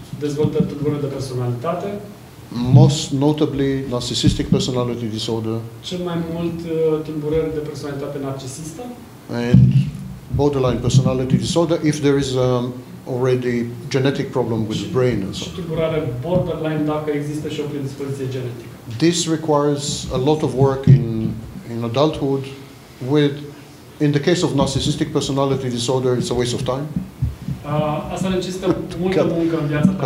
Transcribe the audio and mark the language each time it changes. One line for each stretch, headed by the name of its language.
Romanian: dezvoltă tulburări de personalitate,
English: Most notably, narcissistic personality disorder.
Romanian: Cel mai mult tulburări de personalitate narcisistă.
English: And borderline personality disorder, if there is already genetic problem with the brain.
Romanian: Și tulburare borderline dacă există și o predispoziție genetică.
English: This requires a lot of work in adulthood. With, in the case of narcissistic personality disorder, it's a waste of time.
Romanian: Asta necesită multă muncă în viața ta.